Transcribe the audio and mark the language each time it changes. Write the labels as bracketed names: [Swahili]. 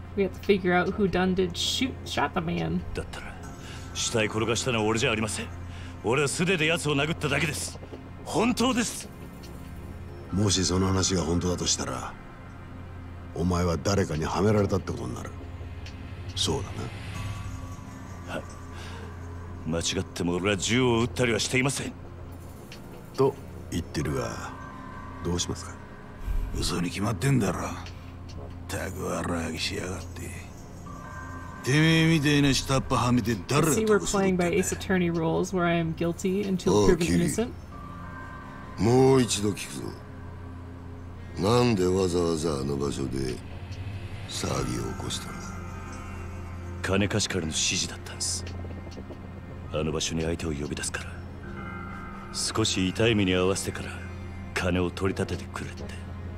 [English] We have to figure out who Dunn did shoot, shot the man. [Japanese] だったら、死体転がしたのは俺じゃありません。俺は素手で奴を殴っただけです。本当です。もしその話が本当だとしたら、お前は誰かにはめられたってことになる。そうだな。間違っても俺は銃を撃ったりはしていませんと言ってるが、どうしますか。嘘に決まってんだろ。たく荒揚げしやがって。てめえみたいな下っ端はめて誰が得するんだ。 [English] I see we're playing by Ace Attorney rules where I am guilty until proven innocent. [Japanese] もう一度聞くぞ。なんでわざわざあの場所で騒ぎを起こしたんだ。金貸しからの指示だったんです。あの場所に相手を呼び出すから、少し痛い目に遭わせてから金を取り立ててくれって。